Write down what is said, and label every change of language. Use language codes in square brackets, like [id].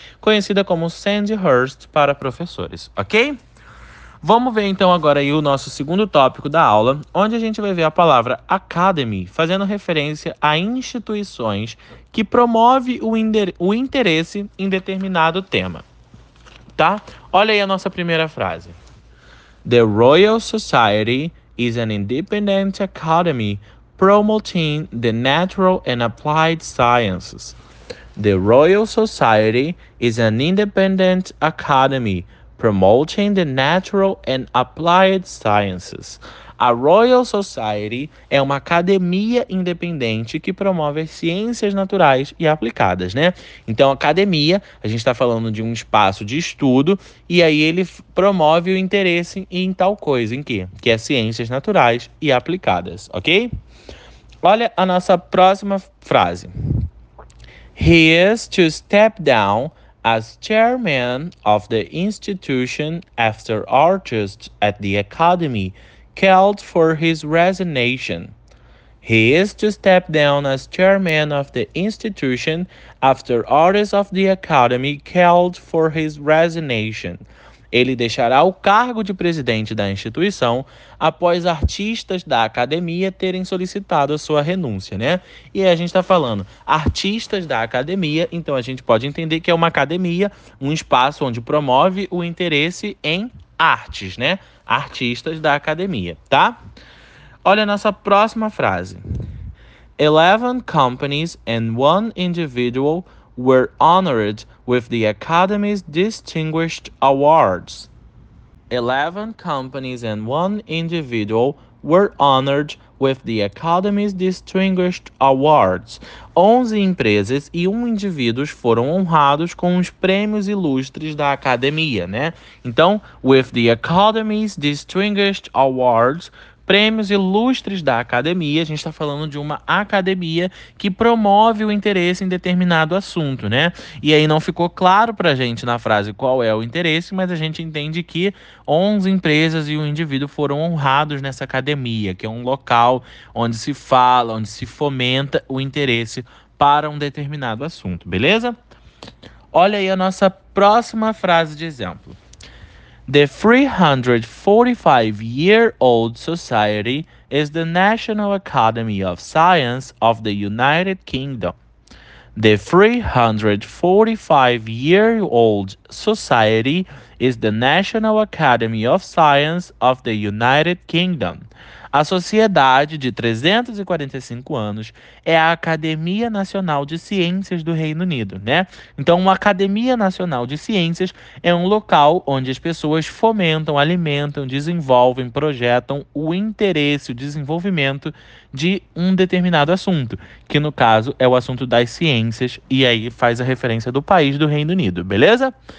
[pt] Conhecida como Sandhurst para professores, ok? Vamos ver então agora aí o nosso segundo tópico da aula, onde a gente vai ver a palavra academy fazendo referência a instituições que promovem o interesse em determinado tema. Tá? Olha aí a nossa primeira frase. [en] The Royal Society is an independent academy promoting the natural and applied sciences. The Royal Society is an independent academy promoting the natural and applied sciences. [pt] A Royal Society é uma academia independente que promove as ciências naturais e aplicadas, né? Então, academia, a gente está falando de um espaço de estudo, e aí ele promove o interesse em tal coisa, em quê? Que é ciências naturais e aplicadas, ok? Olha a nossa próxima frase. [en] He is to step down as chairman of the institution after artists at the academy called for his resignation. He is to step down as chairman of the institution after artists of the academy called for his resignation. [pt] Ele deixará o cargo de presidente da instituição após artistas da academia terem solicitado a sua renúncia, né? E aí a gente está falando artistas da academia, então a gente pode entender que é uma academia, um espaço onde promove o interesse em artes, né? Artistas da academia, tá? Olha a nossa próxima frase. [en] 11 companies and one individual were honored with the Academy's Distinguished Awards. 11 companies and one individual were honored with the Academy's Distinguished Awards. [pt] 11 empresas e um indivíduo foram honrados com os prêmios ilustres da academia, né? Então, [en] with the Academy's Distinguished Awards, [pt] prêmios ilustres da academia, a gente está falando de uma academia que promove o interesse em determinado assunto, né? E aí não ficou claro para a gente na frase qual é o interesse, mas a gente entende que 11 empresas e um indivíduo foram honrados nessa academia, que é um local onde se fala, onde se fomenta o interesse para um determinado assunto, beleza? Olha aí a nossa próxima frase de exemplo. [en] The 345-year-old society is the National Academy of Science of the United Kingdom. The 345-year-old society is the National Academy of Science of the United Kingdom. [pt] A sociedade de 345 anos é a Academia Nacional de Ciências do Reino Unido, né? Então, uma Academia Nacional de Ciências é um local onde as pessoas fomentam, alimentam, desenvolvem, projetam o interesse, o desenvolvimento de um determinado assunto, que no caso é o assunto das ciências, e aí faz a referência do país do Reino Unido, beleza?